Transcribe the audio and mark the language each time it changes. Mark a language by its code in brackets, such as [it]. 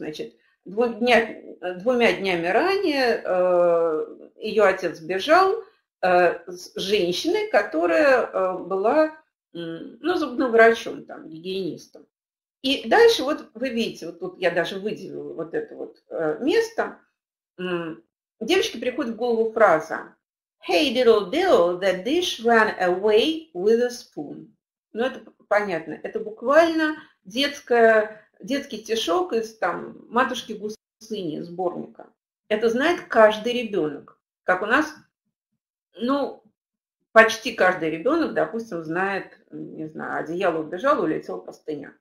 [ru] Значит, двумя днями ранее ее отец сбежал с женщиной, которая была, ну, зубным врачом, там, гигиенистом. И дальше вот вы видите, вот тут я даже выделила вот это вот место. Девочке приходит в голову фраза [en] «Hey, little girl, the dish ran away with a spoon». [ru] Ну, это понятно, это буквально детский стишок из там «Матушки гусыни» сборника. Это знает каждый ребенок, как у нас, ну, почти каждый ребенок, допустим, знает, не знаю, одеяло убежало, улетело пустыня.